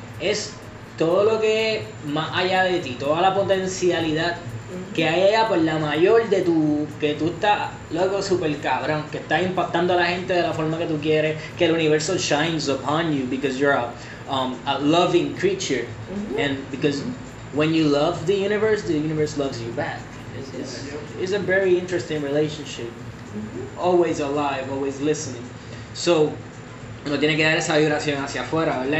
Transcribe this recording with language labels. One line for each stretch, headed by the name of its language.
Spanish: Es todo lo que es más allá de ti, toda la potencialidad que hay allá, pues la mayor de tu, que tú estás, loco, super cabrón, que estás impactando a la gente de la forma que tú quieres, que el universo
English: shines upon you because you're a loving creature. Mm-hmm. And because when you love the universe loves you back. It's a very interesting relationship. Mm-hmm. Always alive, always listening.
Spanish: So, uno tiene que dar esa vibración hacia afuera, ¿verdad?